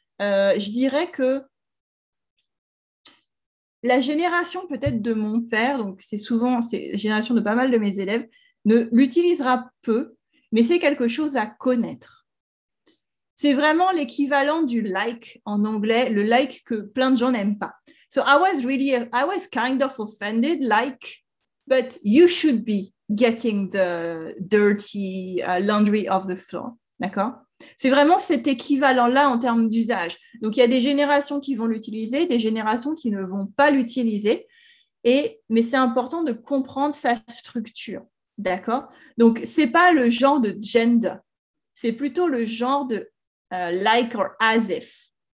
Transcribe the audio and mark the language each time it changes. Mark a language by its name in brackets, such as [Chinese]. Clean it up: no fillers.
[French] Je dirais que la génération peut-être de mon père, donc c'est souvent c'est la génération de pas mal de mes élèves, ne l'utilisera peu. Mais c'est quelque chose à connaître. C'est vraiment l'équivalent du like en anglais, le like que plein de gens n'aiment pas. [English] So I was kind of offended, like, but you should be getting the dirty laundry off the floor. [French] D'accord? C'est vraiment cet équivalent-là en termes d'usage. Donc il y a des générations qui vont l'utiliser, des générations qui ne vont pas l'utiliser. Mais c'est important de comprendre sa structure. D'accord? Donc, ce n'est pas le genre de gender. C'est plutôt le genre de [English] like or as if.